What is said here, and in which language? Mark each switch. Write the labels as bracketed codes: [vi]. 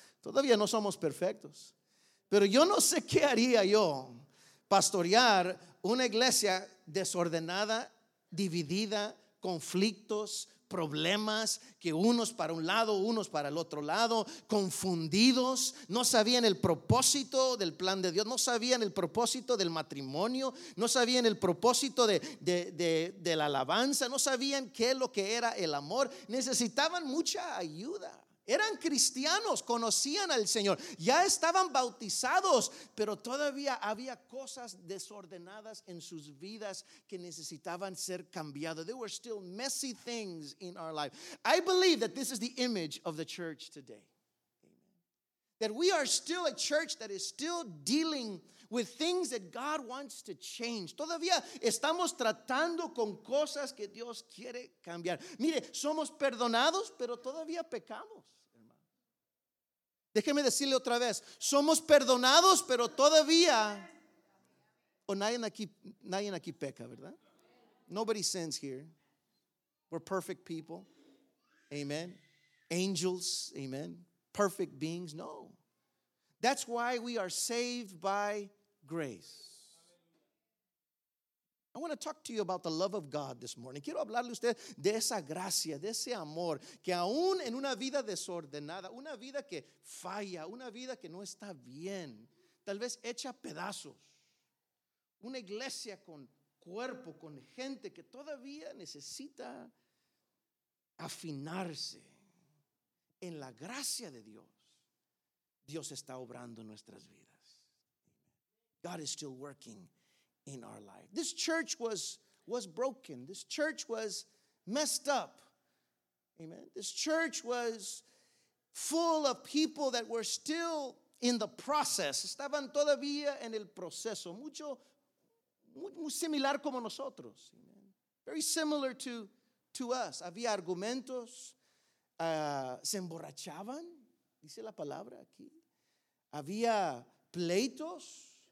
[es] Todavía no somos perfectos. Pero yo no sé qué haría yo pastorear una iglesia desordenada, dividida, conflictos, problemas, que unos para un lado, unos para el otro lado, confundidos, no sabían el propósito del plan de Dios, no sabían el propósito del matrimonio, no sabían el propósito de la alabanza, no sabían qué es lo que era el amor, necesitaban mucha ayuda. Eran cristianos, conocían al Señor, ya estaban bautizados, pero todavía había cosas desordenadas en sus vidas que necesitaban ser cambiadas. [en] There were still messy things in our life. I believe that this is the image of the church today. That we are still a church that is still dealing with things that God wants to change. [es] Todavía estamos tratando con cosas que Dios quiere cambiar. Mire, somos perdonados, pero todavía pecamos. Déjeme decirle otra vez, somos perdonados, pero todavía, nadie aquí peca, ¿verdad? [en] Nobody sins here. We're perfect people. Amen. Angels, amen. Perfect beings, no. That's why we are saved by grace. I want to talk to you about the love of God this morning. [es] Quiero hablarle a usted de esa gracia, de ese amor, que aún en una vida desordenada, una vida que falla, una vida que no está bien, tal vez hecha pedazos, una iglesia con cuerpo, con gente que todavía necesita afinarse en la gracia de Dios, Dios está obrando en nuestras vidas. [en] God is still working in our life. This church was broken. This church was messed up. Amen. This church was full of people that were still in the process. [es] Estaban todavía en el proceso. Mucho, muy, muy similar como nosotros. [en] Amen. Very similar to us. [es] Había argumentos. Se emborrachaban. Dice la palabra aquí. Había pleitos.